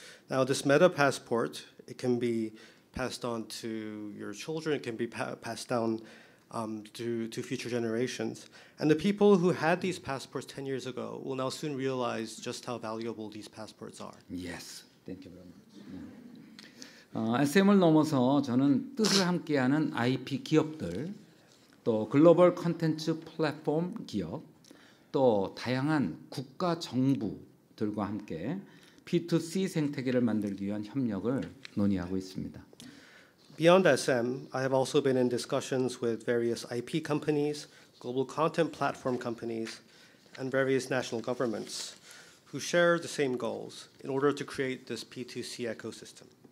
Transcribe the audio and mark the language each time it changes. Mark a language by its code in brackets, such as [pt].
[en] Now, this meta passport, it can be passed on to your children, it can be passed down to future generations. And the people who had these passports 10 years ago will now soon realize just how valuable these passports are. Yes. Thank you very much. [ko] SM을 넘어서 저는 뜻을 함께하는 IP 기업들, 또 글로벌 콘텐츠 플랫폼 기업, 또 다양한 국가 정부들과 함께 P2C 생태계를 만들기 위한 협력을 논의하고 있습니다. [en] Beyond SM, I have also been in discussions with various IP companies, global content platform companies, and various national governments who share the same goals in order to create this P2C ecosystem.